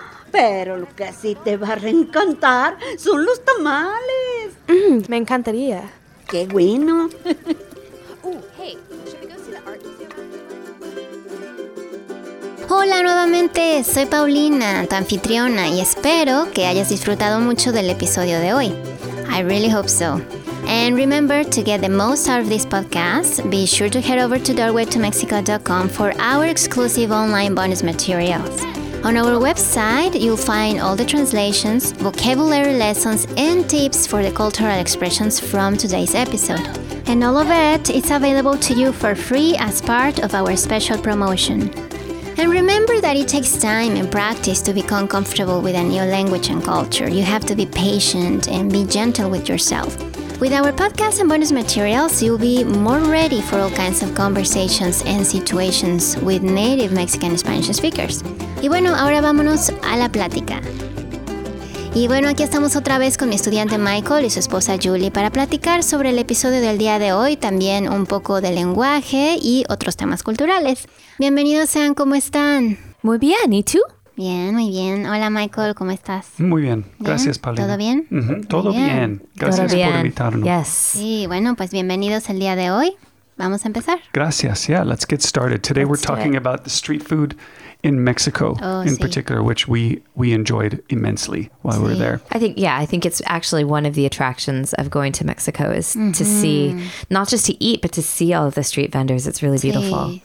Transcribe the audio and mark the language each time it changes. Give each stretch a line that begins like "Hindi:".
Spanish: Pero lo que sí te va a reencantar son los tamales. Me encantaría. Qué bueno.
English: Hey.
Spanish: Hola nuevamente, soy Paulina, tu anfitriona, y espero que hayas disfrutado mucho del episodio de hoy.
English: I really hope so. And remember, to get the most out of this podcast, be sure to head over to doorwaytomexico.com for our exclusive online bonus materials. On our website, you'll find all the translations, vocabulary lessons, and tips for the cultural expressions from today's episode. And all of it is available to you for free as part of our special promotion. And remember that it takes time and practice to become comfortable with a new language and culture. You have to be patient and be gentle with yourself. With our podcast and bonus materials, you'll be more ready for all kinds of conversations and situations with native Mexican Spanish speakers.
Spanish: Y bueno, ahora vámonos a la plática. Y bueno, aquí estamos otra vez con mi estudiante Michael y su esposa Julie para platicar sobre el episodio del día de hoy, también un poco de lenguaje y otros temas culturales. Bienvenidos sean, ¿cómo están? Muy bien, ¿y tú? Bien, muy bien. Hola Michael, ¿cómo estás? Muy bien, ¿bien? Gracias Paulina. ¿Todo bien? Todo bien, bien. Gracias todo por invitarnos.
English: Yes.
Spanish: Sí, bueno, pues bienvenidos el día de hoy. Vamos a empezar. Gracias,
English: yeah, let's get started. Today we're talking about the street food in Mexico, particular, which we enjoyed immensely while we were there. I think it's actually one of the attractions of going to Mexico is to see, not just to eat, but to see all of the street vendors. It's really beautiful. Sí.